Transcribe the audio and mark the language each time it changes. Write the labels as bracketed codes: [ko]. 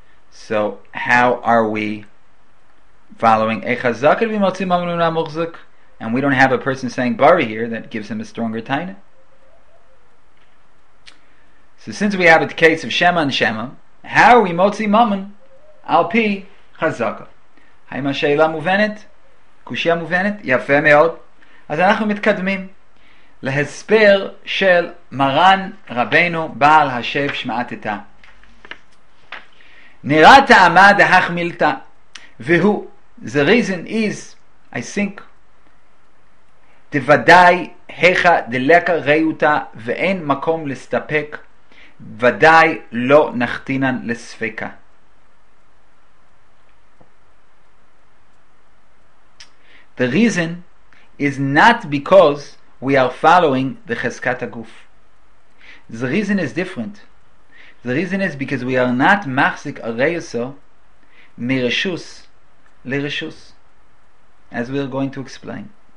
[en] So how are we following a chazaka to be [he] motzi mamon min hamuchzok, [en] and we don't have a person saying bari here that gives him a stronger taina? So since we have a case of shema and shema, how are we [he] motzi mamon al pi chazaka? Haim ha'sheila muvenet? Kushia muvenet? Yafeh me'od. Az anachnu mitkadmim להסבר של מרן רבנו בעל השב שמעתתה. נראה טעמה דהך מילתה, והוא, [en] the reason is, I think, [he] דוודאי היכה דלקה ראיותה, ואין מקום לסתפק, ודאי לא נחתינן לספקה. [en] The reason is not because we are following the cheskat aguf. The reason is different. The reason is because we are not [he] machzik areyoso mirishus lirishus, [en] as we are going to explain.